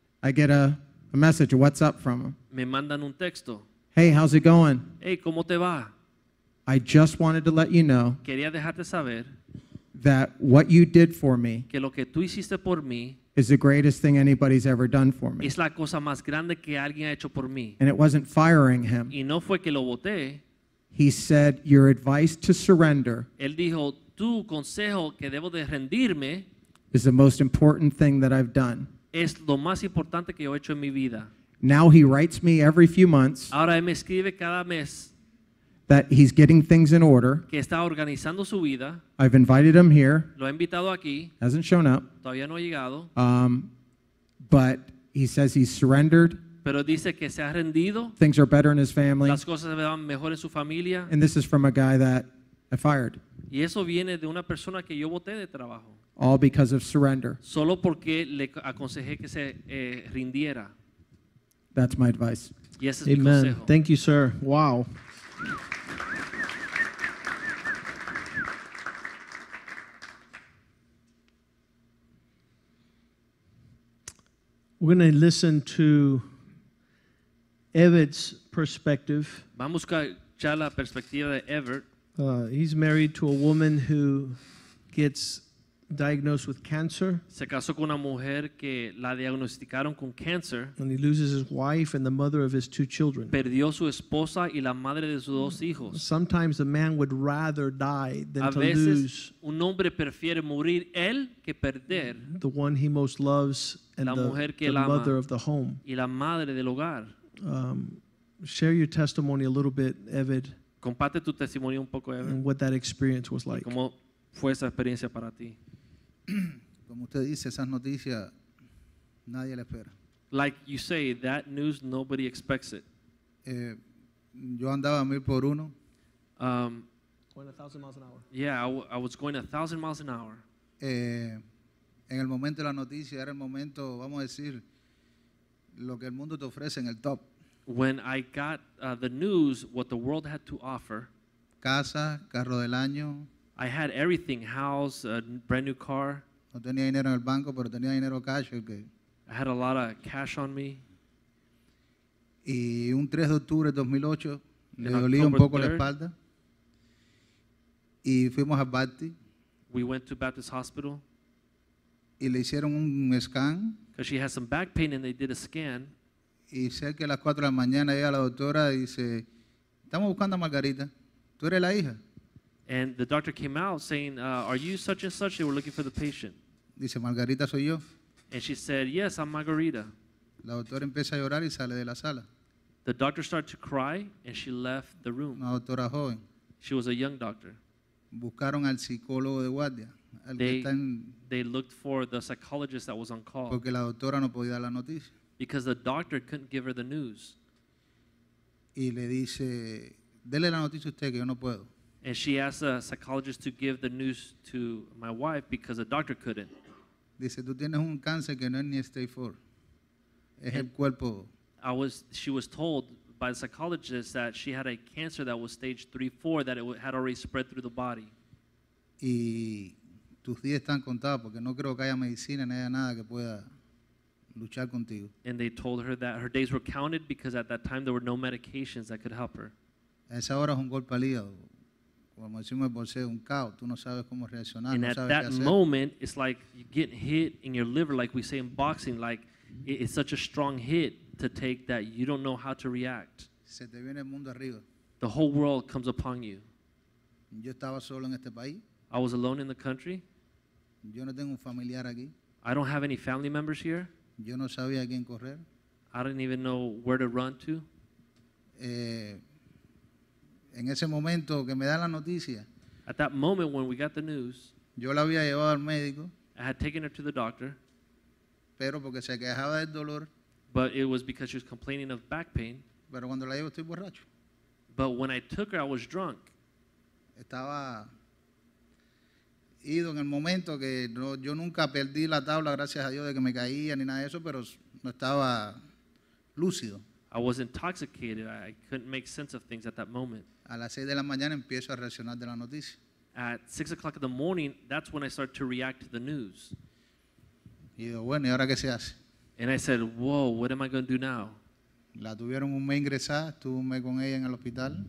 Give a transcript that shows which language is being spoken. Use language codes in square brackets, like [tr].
[en] I get a message, a WhatsApp from him. [es] Me mandan un texto. [en] Hey, how's it going? [es] Hey, ¿cómo te va? [en] I just wanted to let you know, [es] quería dejarte saber, [en] that what you did for me, [es] que lo que tú hiciste por mí, [en] is the greatest thing anybody's ever done for me. [es] Es la cosa más grande que alguien ha hecho por mí. [en] And it wasn't firing him. [es] Y no fue que lo boté. [en] He said, your advice to surrender, [es] él dijo, tu consejo que debo de rendirme, [en] is the most important thing that I've done. [es] Es lo más importante que yo he hecho en mi vida. [en] Now he writes me every few months, [es] ahora él me escribe cada mes, [en] that he's getting things in order, [es] que está organizando su vida. [en] I've invited him here, [es] lo he invitado aquí, [en] hasn't shown up, [es] todavía no ha llegado. [en] But he says he's surrendered. [es] Pero dice que se ha rendido. [en] Things are better in his family. [es] Las cosas van mejor en su familia. [en] And this is from a guy that I fired. [es] Y eso viene de una persona que yo boté de trabajo. [en] All because of surrender. [es] Solo porque le aconsejé que se rindiera. [en] That's my advice. [es] Y ese es mi consejo. [en] Amen. Thank you, sir. Wow. We're going to listen to Everett's perspective. [es] Vamos a escuchar la perspectiva de Everett. [en] He's married to a woman who gets diagnosed with cancer. [es] Se casó con una mujer que la diagnosticaron con cáncer. [en] And he loses his wife and the mother of his two children. [es] Perdió su esposa y la madre de sus dos hijos. [en] Sometimes a man would rather die than [es] a veces, [en] to lose [es] un hombre prefiere morir él que perder [en] the one he most loves and [es] la mujer que [en] the mother of the home. [es] Y la madre del hogar. [en] Share your testimony a little bit, Evid. [es] Comparte tu testimonio un poco, Evid. [en] And what that experience was like. [es] Como fue esa experiencia para ti. Como usted dice, esas noticias nadie la espera. [en] Like you say, that news nobody expects it. [es] Yo andaba a mil por uno. [en] Going 1,000 miles an hour. Yeah, I was going 1,000 miles an hour. [es] En el momento de la noticia era el momento, vamos a decir, lo que el mundo te ofrece en el top. [en] When I got the news, what the world had to offer. [es] Casa, carro del año. [en] I had everything, house, a brand new car. [es] No tenía dinero en el banco, pero tenía dinero cash. [en] Okay. I had a lot of cash on me. [es] Y un 3 de octubre de 2008, le dolía un poco 3rd, la espalda. Y fuimos a Bati. [en] We went to Baptist Hospital. [es] Y le hicieron un scan. [en] Because she had some back pain and they did a scan. [es] Y cerca de las 4 de la mañana llega la doctora y dice, estamos buscando a Margarita, tú eres la hija. [en] And the doctor came out saying, are you such and such? They were looking for the patient. [es] Dice, Margarita soy yo. [en] And she said, yes, I'm Margarita. [es] La doctora empieza a llorar y sale de la sala. [en] The doctor started to cry and she left the room. [es] Una doctora joven. [en] She was a young doctor. [es] Buscaron al psicólogo de guardia. [en] They looked for the psychologist that was on call. [es] Porque la doctora no podía dar la noticia. [en] Because the doctor couldn't give her the news. [es] Y le dice, dele la noticia usted que yo no puedo. [en] And she asked a psychologist to give the news to my wife because the doctor couldn't. [es] Dice, tú tienes un cáncer que no es ni stage 4. Es el cuerpo. [en] She was told by the psychologist that she had a cancer that was stage 3-4 that it had already spread through the body. [es] Y tus días están contados porque no creo que haya medicina ni haya nada que pueda luchar contigo. [en] And they told her that her days were counted because at that time there were no medications that could help her. [es] Esa hora es un golpe al hígado. Como decimos en bolsillo, un caos. Tú no sabes cómo reaccionar. [en] And [es] no [en] at [es] sabes [en] that [es] qué hacer. [en] Moment, it's like you get hit in your liver, like we say in boxing. Like it's such a strong hit to take that you don't know how to react. [es] Se te viene el mundo arriba. [en] The whole world comes upon you. [es] Yo estaba solo en este país. [en] I was alone in the country. [es] Yo no tengo un familiar aquí. [en] I don't have any family members here. [es] Yo no sabía a quién correr. [en] I didn't even know where to run to. [es] En ese momento que me dan la noticia, [en] at that moment when we got the news, [es] yo la había llevado al médico. [en] I had taken her to the doctor. [es] Pero porque se quejaba del dolor. [en] But it was because she was complaining of back pain. [es] Pero cuando la llevo estoy borracho. [en] But when I took her, I was drunk. [es] Estaba ido en el momento que no, yo nunca perdí la tabla, gracias a Dios, de que me caía ni nada de eso, pero no estaba lúcido. [en] I was intoxicated. I couldn't make sense of things at that moment. [es] A las 6 de la mañana empiezo a reaccionar de la noticia. [en] At 6 o'clock in the morning, that's when I start to react to the news. [es] Y digo, bueno, ¿y ahora qué se hace? [en] And I said, whoa, what am I going to do now? [es] La tuvieron un mes ingresada, estuve un mes con ella en el hospital.